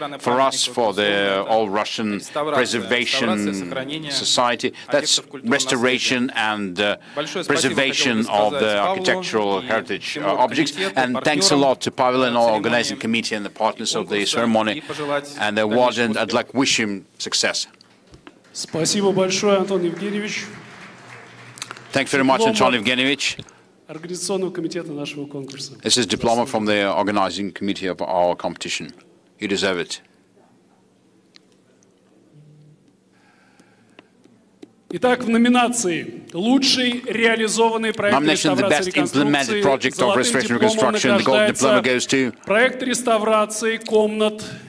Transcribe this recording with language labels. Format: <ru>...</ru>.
<en>For us, for the All-Russian Preservation Society, that's restoration and preservation of the architectural heritage objects. And thanks a lot to Pavel and our organizing committee and the partners of the ceremony and the award. And I'd like to wish him success.</en> <ru>Спасибо большое, Антон Евгеньевич.</ru> <en>Thank you very much, Anton Evgenievich.</en> <ru>Организационного комитета нашего конкурса.</ru> <en>This is a diploma from the organizing committee of our competition. You deserve it.</en> <ru>Итак, в номинации лучший реализованный проект реставрации</ru> <en>the best implemented project of restoration reconstruction, the gold diploma goes to</en> <ru>проект реставрации комнат</ru>